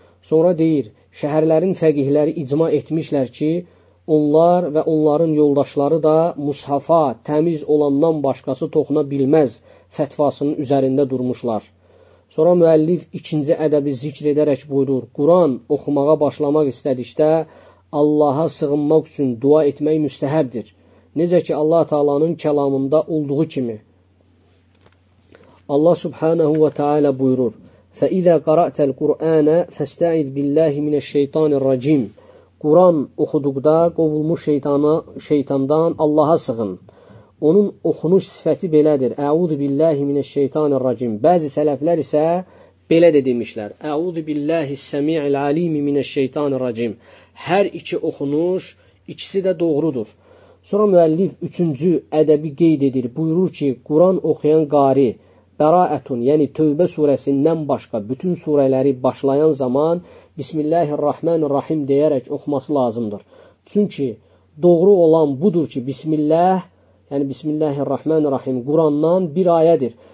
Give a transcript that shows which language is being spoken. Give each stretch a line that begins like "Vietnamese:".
Azerbaijani: Sonra deyir, şəhərlərin fəqihləri icma etmişlər ki, onlar və onların yoldaşları da mushafa təmiz olandan başqası toxuna bilməz fətvasının üzərində durmuşlar. Sonra müəllif ikinci ədəbi zikr edərək buyurur, Quran oxumağa başlamaq istədikdə Allaha sığınmaq üçün dua etmək müstəhəbdir. Necə ki, Allah-u Teala'nın kəlamında olduğu kimi. Allah Subhanahu ve Taala buyurur,
Arabic: فَإِذَا قَرَأْتَ الْقُرْآنَ فَاسْتَعِذْ بِاللَّهِ مِنَ الشَّيْطَانِ الرَّجِيمِ
Azerbaijani: Quran oxuduqda qovulmuş şeytandan Allaha sığın. Onun oxunuş sifəti belədir.
Arabic: اَعُوذُ بِاللَّهِ مِنَ الشَّيْطَانِ الرَّجِيمِ
Azerbaijani: Bəzi sələflər isə belə də demişlər.
Arabic: اَعُوذُ بِاللَّهِ السَّمِيعِ الْعَلِيمِ مِنَ الشَّيْطَانِ الرَّجِيمِ
Azerbaijani: Hər iki oxunuş, ikisi də doğrudur. Sonra müəllif üçüncü ədəbi qeyd edir. Buyurur ki, Quran oxuyan qari, Bəraətun, yəni Tövbə surəsindən başqa bütün surələri başlayan zaman Bismillahirrahmanirrahim deyərək oxuması lazımdır. Çünki doğru olan budur ki, Bismillah, yəni Bismillahirrahmanirrahim Qurandan bir ayədir.